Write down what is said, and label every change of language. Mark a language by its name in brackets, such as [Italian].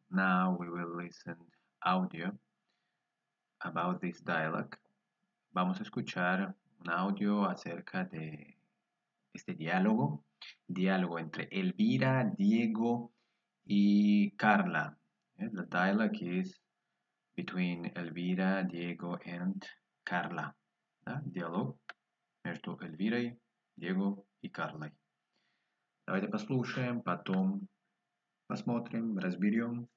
[English] Now we will listen audio about this dialogue. [Spanish] Vamos a escuchar un audio acerca de este diálogo, diálogo entre Elvira, Diego y Carla. [English] The dialogue is between Elvira, Diego and Carla. [Russian] Diálogo между Эльвирой, Diego y Carla. Давайте послушаем, потом посмотрим, разберем.